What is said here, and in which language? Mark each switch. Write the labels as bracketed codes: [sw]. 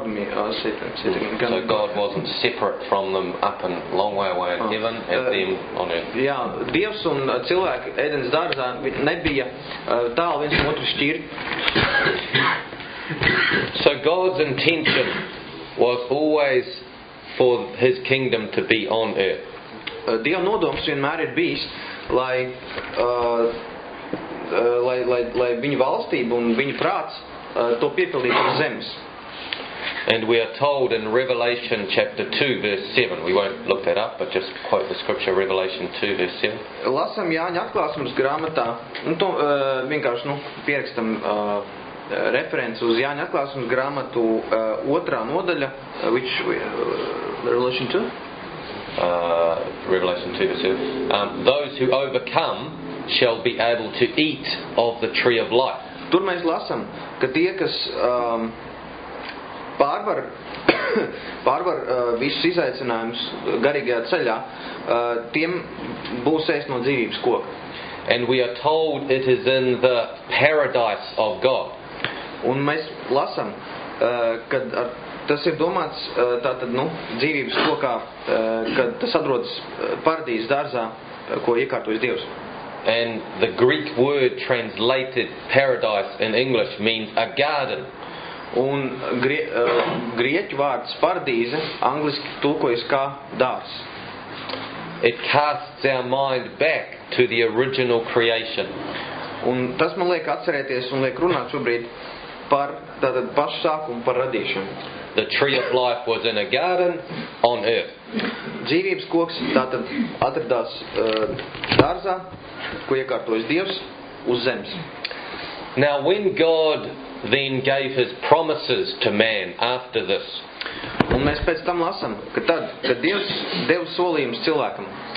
[en] So God wasn't separate from them up and long way away in heaven and them on earth. [lv] Jā, Dievs un cilvēki Ēdens dārzā nebija tālu viens no otru šķirti. [en] So God's intention was always for his kingdom to be on earth. [lv] Dieva nodoms vienmēr ir bijis, lai viņa valstība un viņa prāts to piepildīt uz zemes. [en] And we are told in Revelation chapter 2 verse 7. We won't look that up, but just quote the scripture Revelation 2 verse 7. [lv] Lasam Jāņa atklāsmes grāmatā. Un to vienkārši, nu, pierakstam referenci uz Jāņa atklāsmes grāmatu otrā nodaļa, [en] which Revelation 2. Revelation 2 verse 7. Those who overcome shall be able to eat of the tree of life. [lv] Tur mēs lasam, ka tie, kas pārvar visus izaicinājumus garīgajā ceļā, tiem būs ēst no dzīvības koka. [en] and we are told it is in the paradise of God. [lv] Un mēs lasam, kad tas ir domāts, tātad, nu, dzīvības kokā, kad tas atrodas paradīzes dārzā, ko iekārtojis Dievs. [en] And the Greek word translated paradise in English means a garden. [lv] Un grieķu vārds paradīze angliski tulkojas kā dārzs. [en] It casts our mind back to the original creation. [lv] Un tas man liek atcerēties un liek runāt šobrīd par tātad pašu sākumu par radīšanu. [en] The tree of life was in a garden on earth. [lv] Dzīvības koks tātad atradās dārzā, ko iekārtojis Dievs uz zemes. [en] Now when God then gave his promises to man after this. [lv] Un mēs pēc tam lasam, ka tad, kad Dievs deva solījumus cilvēkam.